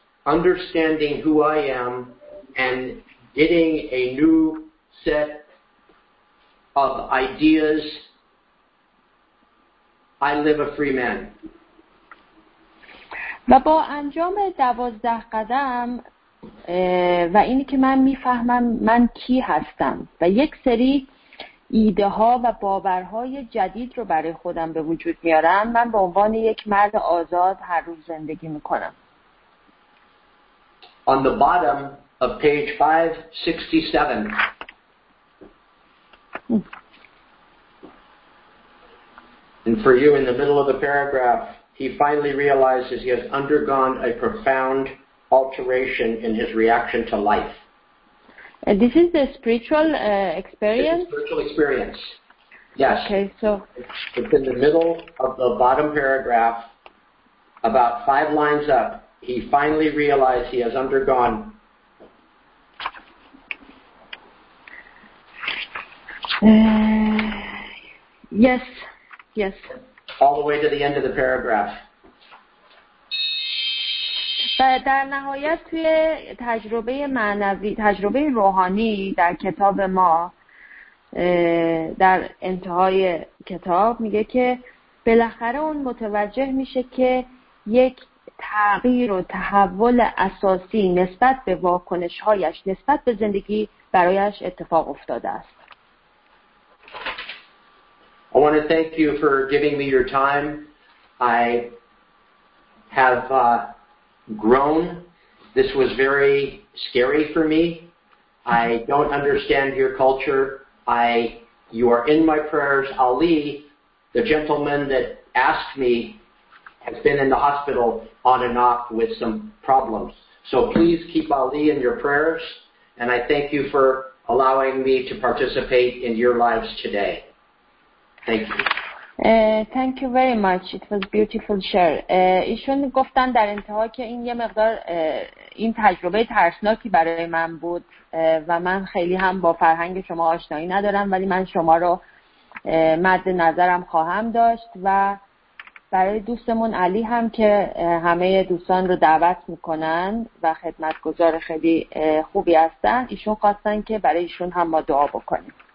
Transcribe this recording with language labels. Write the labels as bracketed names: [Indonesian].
[English] understanding who I am and getting a new set of ideas, I live a free man. [Persian] و با انجام 12 قدم و اینی که من میفهمم من کی هستم و یک سری ایده ها و باورهای جدید رو برای خودم به وجود میارم، من به عنوان یک مرد آزاد هر روز زندگی میکنم. [English] On the bottom of page 567 and for you in the middle of the paragraph, he finally realizes he has undergone a profound alteration in his reaction to life. And this is the spiritual experience? This is spiritual experience. Yes. Okay, so. It's in the middle of the bottom paragraph, about 5 lines up, he finally realized he has undergone. Yes. All the way to the end of the paragraph. [Persian] در نهایت توی تجربه معنوی، تجربه روحانی در کتاب ما، در انتهای کتاب میگه که بالاخره اون متوجه میشه که یک تغییر و تحول اساسی نسبت به واکنش‌هایش نسبت به زندگی برایش اتفاق افتاده است. [English] I want to thank you for giving me your time. I have grown. This was very scary for me. I don't understand your culture. You are in my prayers. Ali, the gentleman that asked me, has been in the hospital on and off with some problems. So please keep Ali in your prayers. And I thank you for allowing me to participate in your lives today. Thank you very much. It was beautiful share. [Persian] ایشون گفتن در انتها که این یه مقدار این تجربه ترسناکی برای من بود و من خیلی هم با فرهنگ شما آشنایی ندارم، ولی من شما رو مد نظرم خواهم داشت و برای دوستمون علی هم که همه دوستان رو دعوت میکنن و خدمتگزار خیلی خوبی هستن، ایشون خواستن که برای ایشون هم ما دعا بکنیم.